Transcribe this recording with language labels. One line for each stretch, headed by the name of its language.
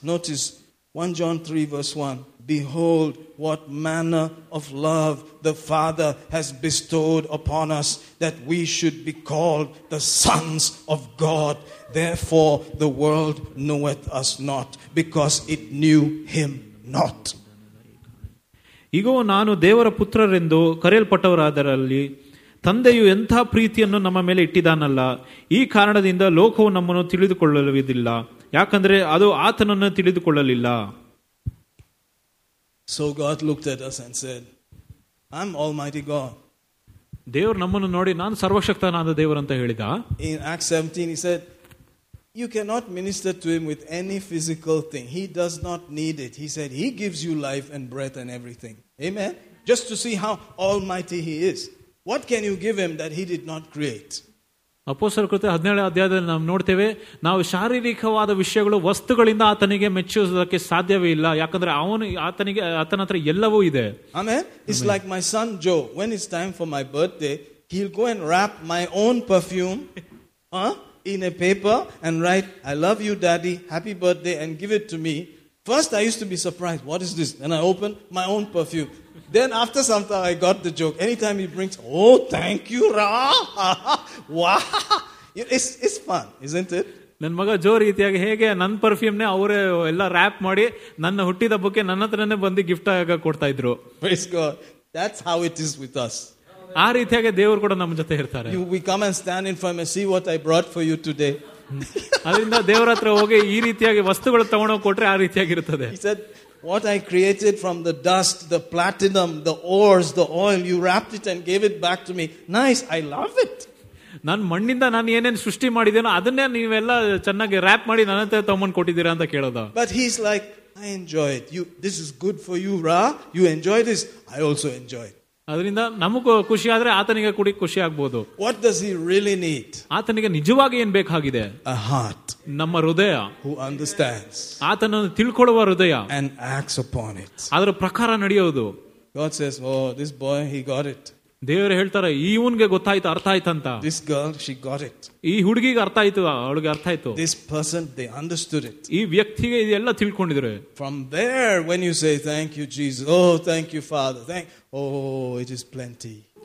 English: Notice 1 John 3 verse 1. Behold what manner of love the Father has bestowed upon us that we should be called the sons of God. Therefore the world knoweth us not because it knew him not.
Kannada: ಈಗೋ ನಾನು ದೇವರ ಪುತ್ರರೆಂದು ಕರೆಯಲ್ಪಟ್ಟವರಾದರಲ್ಲಿ ತಂದೆಯು ಎಂಥ ಪ್ರೀತಿಯನ್ನು ನಮ್ಮ ಮೇಲೆ ಇಟ್ಟಿದ್ದಾನಲ್ಲ, ಈ ಕಾರಣದಿಂದ ಲೋಕವು ನಮ್ಮನ್ನು ತಿಳಿದುಕೊಳ್ಳಲುವುದಿಲ್ಲ, ಯಾಕಂದ್ರೆ ಅದು ಆತನನ್ನು ತಿಳಿದುಕೊಳ್ಳಲಿಲ್ಲ.
English: So God looked at us and said, I'm Almighty God.
Kannada: ದೇವರು ನಮ್ಮನ್ನು ನೋಡಿ ನಾನು ಸರ್ವಶಕ್ತನಾದ ದೇವರು ಅಂತ ಹೇಳಿದ.
English: In Acts 17 he said, you cannot minister to him with any physical thing. He does not need it. He said, he gives you life and breath and everything. Amen? Just to see how almighty he is. What can you give him that he did not create?
Kannada: ಅಪೊಸ್ತಲರ ಕೃತ್ಯ 17 ಅಧ್ಯಾಯದಲ್ಲಿ ನಾವು ನೋಡ್ತೇವೆ, ನಾವು ಶಾರೀರಿಕವಾದ ವಿಷಯಗಳು ವಸ್ತುಗಳಿಂದ ಆತನಿಗೆ ಮೆಚ್ಚುವುದಕ್ಕೆ ಸಾಧ್ಯವೇ ಇಲ್ಲ, ಯಾಕಂದ್ರೆ ಅವನು ಆತನಿಗೆ ಆತನ ಹತ್ರ ಎಲ್ಲವೂ ಇದೆ. ಆಮೇನ್.
English: It's like my son Joe, when it's time for my birthday, he will go and wrap my own perfume in a paper and write, I love you daddy, happy birthday, and give it to me. First I used to be surprised, what is this? And I opened my own perfume. Then after some time I got the joke. Anytime he brings, oh thank you ra, wow, it's fun, isn't it?
Kannada: ನನ್ ಮಗ ಜೋ ರೀತಿಯಾಗಿ ಹೇಗೆ ನನ್ perfume ನೇ ಅವರೇ ಎಲ್ಲ rap ಮಾಡಿ ನನ್ನ ಹುಟ್ಟಿದ ಹಬ್ಬಕ್ಕೆ ನನ್ನ ಹತ್ರನೇ ಬಂದು ಗಿಫ್ಟ್ ಆಗ ಕೊಡ್ತಾ ಇದ್ರು.
English: Praise God. That's how it is with us.
Kannada: ಆ ರೀತಿಯಾಗಿ ದೇವರು ಕೂಡ ನಮ್ಮ ಜೊತೆ ಇರ್ತಾರೆ.
English: You, we come and stand in front of me, see what I brought for you today.
Kannada: ಅದರಿಂದ ದೇವರ ಹತ್ರ ಹೋಗಿ ಈ ರೀತಿಯಾಗಿ ವಸ್ತುಗಳು ತಗೊಂಡೋಗಿ ಕೊಟ್ರೆ ಆ ರೀತಿಯಾಗಿ ಇರುತ್ತದೆ.
English: He said, what I created from the dust, the platinum, the ores, the oil, you wrapped it and gave it back to me. Nice, I love it.
Kannada: ನಾನು ಮಣ್ಣಿಂದ ನಾನು ಏನೇನು ಸೃಷ್ಟಿ ಮಾಡಿದೇನೋ ಅದನ್ನೇ ನೀವೆಲ್ಲ ಚೆನ್ನಾಗಿ ರ್ಯಾಪ್ ಮಾಡಿ ನನ್ನ ಹತ್ರ ತಗೊಂಡ್ಬಂದು ಕೊಟ್ಟಿದ್ದೀರಾ ಅಂತ ಕೇಳೋದು.
English: But he's like, I enjoy it. You, this is good for you, Ra. You enjoy this. I also enjoy it. What does he really need? A heart. Who understands. And acts upon it. God says, oh, this boy, he got it.
Kannada: ದೇವರು ಹೇಳ್ತಾರೆ ಇವನ್ಗೆ ಗೊತ್ತಾಯ್ತು ಅರ್ಥ ಆಯ್ತು ಅಂತ.
English: This girl she got it.
Kannada: ಈ ಹುಡುಗಿಗೆ ಅರ್ಥ ಆಯ್ತು, ಅವಳಿಗೆ ಅರ್ಥ ಆಯ್ತು.
English: This person they understood it.
Kannada: ಈ ವ್ಯಕ್ತಿಗೆ ಇದೆಲ್ಲ ತಿಳ್ಕೊಂಡಿದ್ರೆ.
English: From there when you say thank you Jesus, oh thank you father, thank, oh it is plenty.